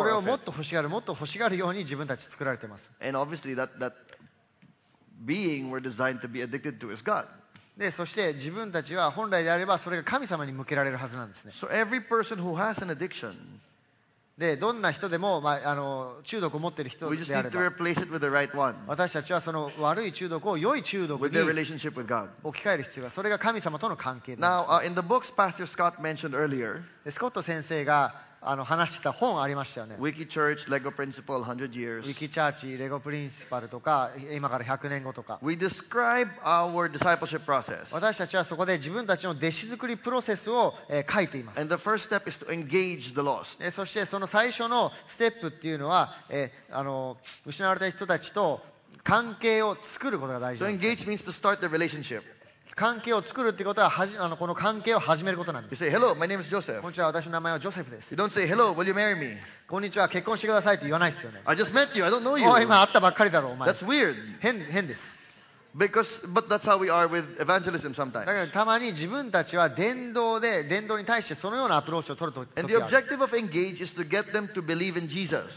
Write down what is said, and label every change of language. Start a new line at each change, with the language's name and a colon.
Japanese: それをもっと欲しがる、もっと欲しがるように自分たち作られています。
English: And obviously that being we're designed to be addicted to is God.
Japanese: でそして自分たちは本来であればそれが神様に向けられるはずなんですね。
English: So every person who has an addiction,
Japanese: でどんな人でも、まあ、中毒を持っている人であれば、
English: we just need to replace it with the right one.
Japanese: 私たちはその悪い中毒を良い中毒に
English: with the relationship with God.
Japanese: 置き換える必要がある。それが神様との関係です。
English: Now, in the books Pastor Scott mentioned earlier,
Japanese: でスコット先生が話した本ありましたよね。
English: Wiki Church, Lego Principle, 100 Years.
Japanese: Wiki Church, Lego Principle とか、今から100年後とか。
English: We describe our discipleship process.
Japanese: 私たちはそこで自分たちの弟子作りプロセスを書いています。
English: And the first step is to engage the lost.
Japanese: そしてその最初のステップっていうのは、失われた人たちと関係を作ることが大事です。
English: So engage means to start the relationship.
Japanese: 関係を作るってことは、この関係を始めることなんです。
English: You say, hello, my name is Joseph.
Japanese: こんにちは、私の名前はジョセフです。
English: You don't say, hello, will you marry me?
Japanese: こんにちは、結婚してくださいって言わないですよね。
English: I just met you, I don't know you.
Japanese: お、今会ったばっかりだろ、お前。
English: That's weird.
Japanese: 変です。
English: But that's how we are with evangelism sometimes.
Japanese: だからたまに自分たちは伝道に対してそのようなアプローチを取るときある。
English: And the objective of engage is to get them to believe in Jesus.